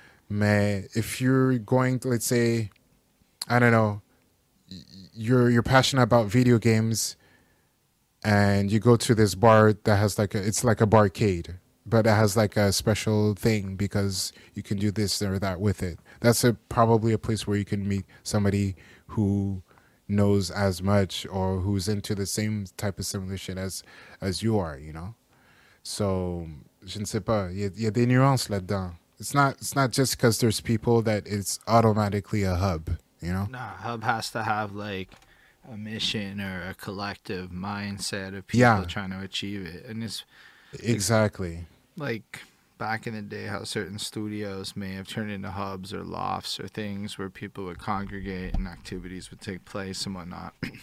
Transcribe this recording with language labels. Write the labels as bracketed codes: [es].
[en] But if you're going to, let's say, I don't know, you're passionate about video games and you go to this bar that has like it's like a barcade, but it has like a special thing because you can do this or that with it. That's probably a place where you can meet somebody who knows as much or who's into the same type of similar shit as you are, you know? [fr] So, je ne sais pas, y a des nuances là-dedans. [en] It's not just because there's people that it's automatically a hub, you know? Nah, hub has to have, like, a mission or a collective mindset of people trying to achieve it. And it's... Exactly. Like, back in the day, how certain studios may have turned into hubs or lofts or things where people would congregate and activities would take place and whatnot.